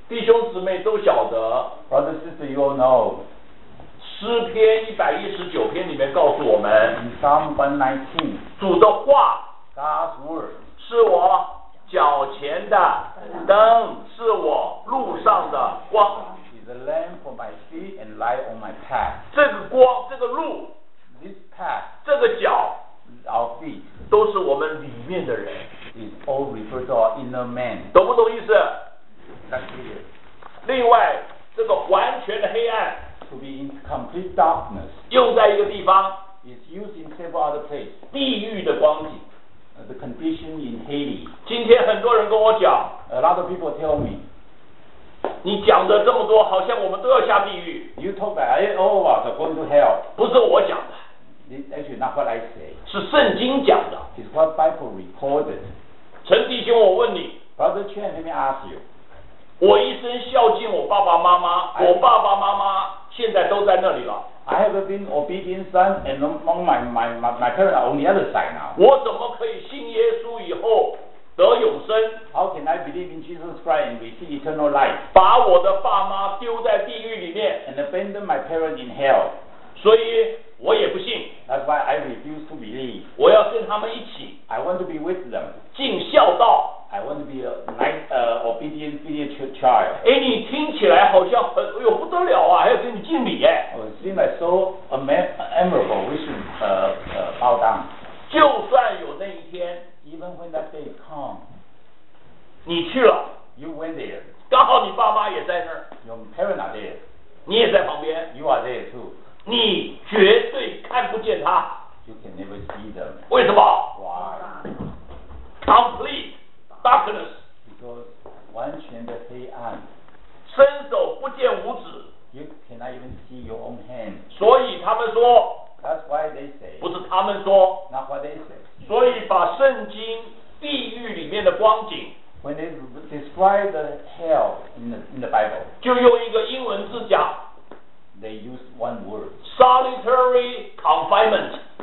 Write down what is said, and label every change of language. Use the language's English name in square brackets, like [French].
[Chinese] 弟兄姊妹都晓得。 [English] Brother sister you all know。 [Chinese] 诗篇119篇里面告诉我们。 [English] In Psalm 119。 [Chinese] 主的话。 [English] God's word。 [Chinese] 是我脚前的灯，是我路上的光。 [English] Is a lamp for my feet and light on my path。 [Chinese] 这个光，这个路。 [English] This path， [Chinese] 这个脚 [English] ，our feet， [Chinese] 都是我们里面的人 [English] ，is all refers to our inner man， [Chinese] 懂不懂意思 [English] ？That's clear。 [Chinese] 另外，这个完全的黑暗 [English] ，to be in complete darkness， [Chinese] 用在一个地方 [English] ，is used in several other places， [Chinese] 地狱的光景 [English] ，the condition in Hades。 [Chinese] 今天很多人跟我讲 [English] ，a lot of people tell me。 [Chinese] 你讲的这么多，好像我们都要下地狱。 [English] You talk about it all of us are going to hell。 [Chinese] 不是我讲的。 [English] Actually, not what I say。 [Chinese] 是圣经讲的。 [English] It's what Bible recorded。 [Chinese] 陈弟兄，我问你。 [English] Brother Chen, let me ask you。 [Chinese] 我一生孝敬我爸爸妈妈，我爸爸妈妈现在都在那里了。 [English] I have been obedient son, and among my parents are on the other side now。 [Chinese] 我怎么可以信耶稣以后？得永生 [English] ，How can I believe in Jesus Christ and receive eternal life？ [Chinese] 把我的爸妈丢在地狱里面 [English] ，and abandon my parents in hell。 [Chinese] 所以我也不信 [English] ，That's why I refuse to believe。 [Chinese] 我要跟他们一起 [English] ，I want to be with them。 [Chinese] 尽孝道 [English] ，I want to be a nice obedient filial child。 [Chinese] 哎，你听起来好像很，哎呦不得了啊，还要跟你敬礼哎。 [English] Oh, it seems like so admirable, which is bow down。 [Chinese] 就算有那一天。 [English] Even when that day comes, [Chinese] 你去了 [English] ，You went there. [Chinese] 刚好你爸妈也在那儿 [English] ，Your parents are there. [Chinese] 你也在旁边 [English] ，You are there too. [Chinese] 你绝对看不见他 [English] ，You can never see them. [Chinese] 为什么 [English] ？Why? Complete darkness. Because [Chinese] 完全的黑暗。伸手不见五指 [English] ，You cannot even see your own hand. [Chinese] 所以他们说 [English] ，That's why they say. [Chinese] 不是他们说 [English] ，Not what they say. [Chinese] 所以把圣经地狱里面的光景 [English] ，when they describe the hell in the Bible， [Chinese] 就用一个英文字讲 [English] ，they use one word， solitary confinement。